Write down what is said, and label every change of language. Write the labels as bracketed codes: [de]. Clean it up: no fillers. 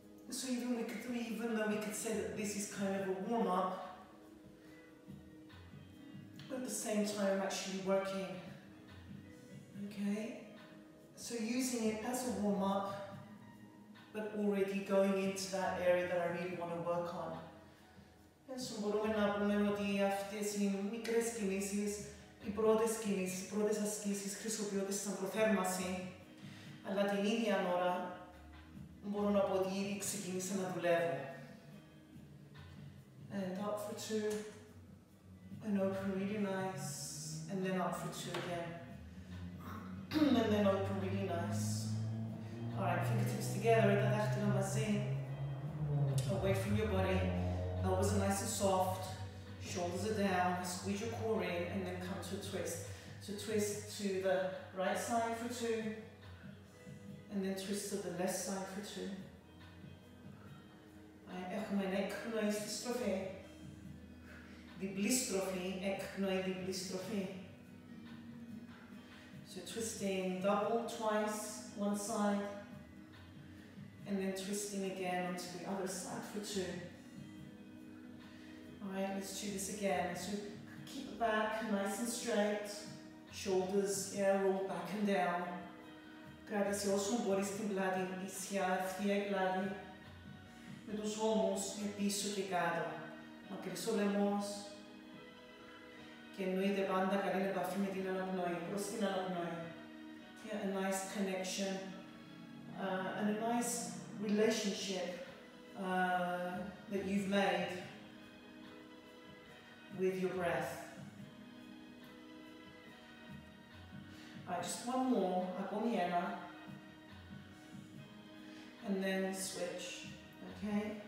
[en] So even though we could say that this is kind of a warm-up, at the same time actually working. Okay, so using it as a warm up, but already going into that area that I really want to work on. [el] Έτσι μπορούμε να πούμε ότι αυτές οι μικρές κινήσεις, οι πρώτες κινήσεις, οι πρώτες ασκήσεις χρησιμοποιούνται στην προθέρμανση, αλλά την ίδια ώρα μπορούν να πω ότι ήδη ξεκίνησε να δουλεύω. [en] And up for two, and open really nice, and then up for two again. And then open really nice. Alright, fingertips together, [el] τα δάχτυλα μαζί, [en] away from your body. Elbows are nice and soft, shoulders are down, squeeze your core in, and then come to a twist. So twist to the right side for two, and then twist to the left side for two. I echo my neck, noise, distrophe. Diblistrophe, echo my diblistrophe. So twisting double, twice, one side, and then twisting again onto the other side for two. Alright, let's do this again. So keep the back nice and straight, shoulders, yeah, roll back and down. Grab the body [el] στην πλάτη, ισιά, ευθεία η πλάτη, με τους ώμους πίσω και κάτω. Μακρύς ο λαιμός και εννοείται πάντα καλή επαφή με την αναπνοή, προς την αναπνοή. [en] Yeah, a nice connection and a nice relationship that you've made with your breath. Alright, just one more, [el] ακόμη ένα, [en] and then switch, okay?